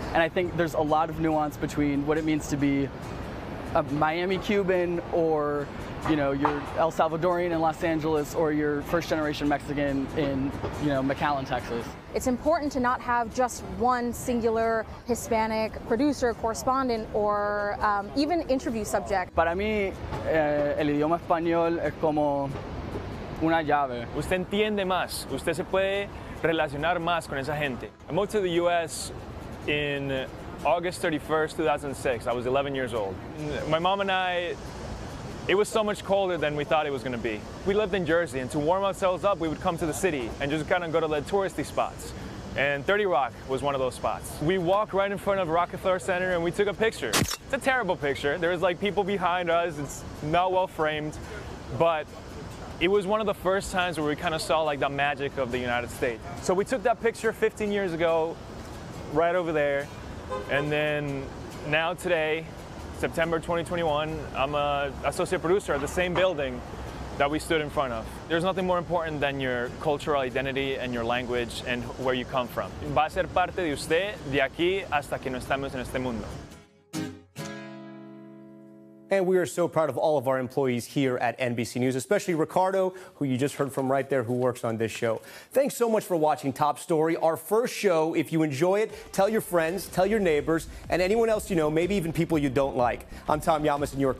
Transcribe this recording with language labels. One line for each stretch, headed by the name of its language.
English: And I think there's a lot of nuance between what it means to be a Miami Cuban or, you know, you're El Salvadorian in Los Angeles or you're first generation Mexican in, you know, McAllen, Texas. It's important to not have just one singular Hispanic producer, correspondent, or even interview subject.
Spanish: Para mí, el idioma español es como una llave. Usted entiende más. Usted se puede relacionar más con esa gente.
English: I moved to the U.S. in August 31st, 2006. I was 11 years old. My mom and I, it was so much colder than we thought it was gonna be. We lived in Jersey, and to warm ourselves up, we would come to the city and just kind of go to the touristy spots. And 30 Rock was one of those spots. We walked right in front of Rockefeller Center and we took a picture. It's a terrible picture. There was like people behind us. It's not well framed, but it was one of the first times where we kind of saw like the magic of the United States. So we took that picture 15 years ago, right over there. And then now today, September 2021, I'm an associate producer at the same building that we stood in front of. There's nothing more important than your cultural identity and your language and where you come from.
Spanish: Va a ser parte de usted de aquí hasta que no estemos en este mundo.
English: And we are so proud of all of our employees here at NBC News, especially Ricardo, who you just heard from right there, who works on this show. Thanks so much for watching Top Story, our first show. If you enjoy it, tell your friends, tell your neighbors, and anyone else you know, maybe even people you don't like. I'm Tom Llamas in New York.